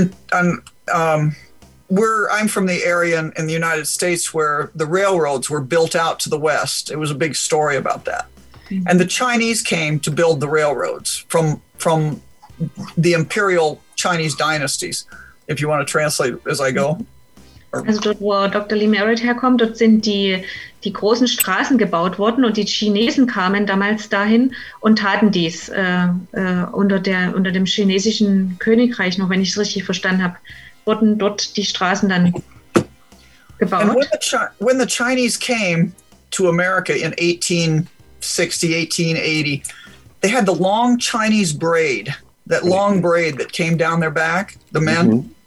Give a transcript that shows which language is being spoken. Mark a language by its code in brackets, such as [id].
[en] I'm from the area in the United States where the railroads were built out to the west. It was a big story about that. Mm-hmm. And the Chinese came to build the railroads from the imperial Chinese dynasties, if you want to translate as I go. [de] Also dort, wo Dr. Lee Merritt herkommt, dort sind die großen Straßen gebaut worden und die Chinesen kamen damals dahin und taten dies unter dem chinesischen Königreich, noch wenn ich es richtig verstanden habe. Wurden dort die Straßen dann gebaut. [en] And when the Chinese came to America in 1860, 1880, they had the long Chinese braid, that long braid that came down their back, the men.